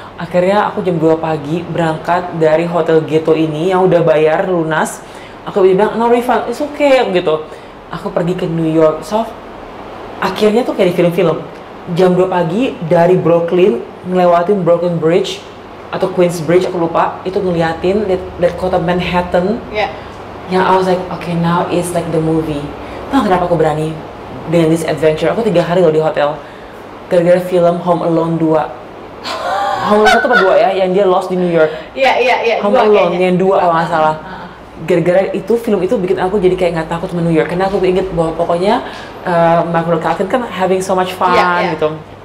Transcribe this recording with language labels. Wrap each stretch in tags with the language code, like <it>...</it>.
<id>Akhirnya aku jam 2 pagi berangkat dari hotel ghetto ini yang udah bayar lunas. Aku bilang,</id> <en>no refund, it's okay</en> <id>gitu. Aku pergi ke New York. So akhirnya tuh kayak di film-film, jam 2 pagi dari Brooklyn ngelewatin Brooklyn Bridge atau Queens Bridge, aku lupa, itu ngeliatin dari kota Manhattan.</id> <en>Yang I was like, okay, now it's like the movie.</en> <id>Tahu kenapa aku berani dengan</id> <en>this adventure?</en> <id>Aku 3 hari loh di hotel gara-gara film Home Alone 2. Home Alone 1 apa 2 ya, yang dia lost di New York. Iya, Home Alone yang 2 kalau gak salah. Gara-gara itu, film itu bikin aku jadi kayak gak takut sama New York. Karena aku inget bahwa pokoknya Michael Calkin kan</id> <en>having so much fun</en> <id>gitu.</id>